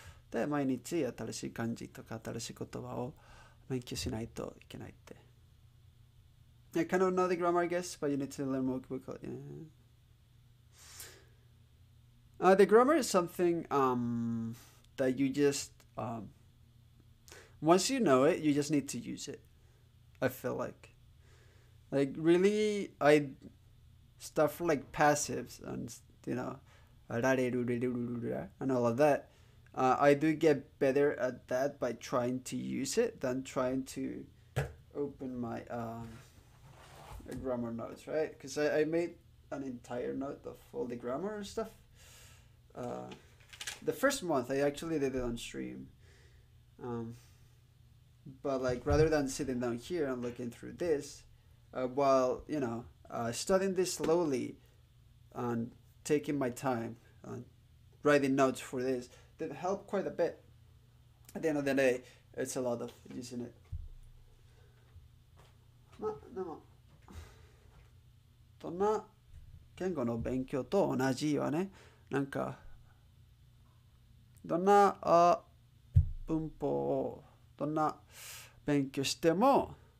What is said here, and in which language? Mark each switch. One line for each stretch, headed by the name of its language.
Japanese: で、毎日新しい漢字とか新しい言葉を勉強しないといけないって。
English: I kind of know the grammar, I guess, but you need to learn more vocabulary. The grammar is something that you just, once you know it, you just need to use it, I feel like. Like, really, I. Stuff like passives and and all of that. I do get better at that by trying to use it than trying to open my grammar notes, right? Because I made an entire note of all the grammar and stuff. The first month I actually did it on stream. But like rather than sitting down here and looking through this, while studying this slowly and taking my time and writing notes for this did help quite a bit. At the end of the day, it's a lot of using it.
Japanese: まあ、でも、どんな言語の勉強と同じはね、なんか、どんな文法をどんな勉強しても、